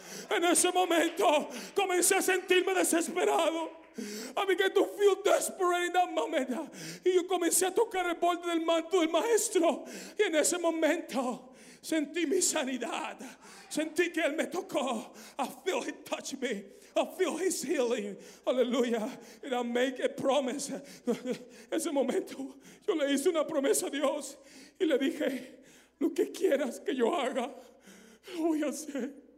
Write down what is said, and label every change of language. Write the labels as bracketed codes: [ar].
[es] En ese momento comencé a sentirme desesperado. [en] I began to feel desperate in that moment. [es] Y yo comencé a tocar el borde del manto del maestro. Y en ese momento sentí mi sanidad. Sentí que él me tocó. [en] I feel he touched me. I feel his healing. Hallelujah. And I make a promise. [es] Ese momento yo le hice una promesa a Dios. Y le dije, lo que quieras que yo haga, lo voy a hacer.